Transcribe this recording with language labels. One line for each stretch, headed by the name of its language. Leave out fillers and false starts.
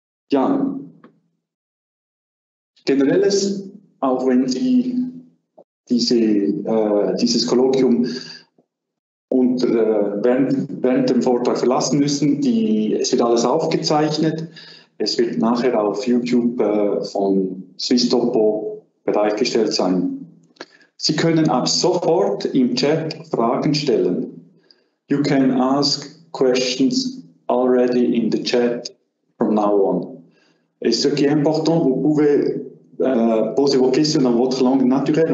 German: Ja, generelles, auch wenn Sie dieses Kolloquium während dem Vortrag verlassen müssen. Es wird alles aufgezeichnet. Es wird nachher auf YouTube von Swisstopo bereitgestellt sein. Sie können ab sofort im Chat Fragen stellen.
English: You can ask questions already in the chat from now on.
French: Et ce qui est important, vous pouvez poser vos questions dans votre langue naturelle.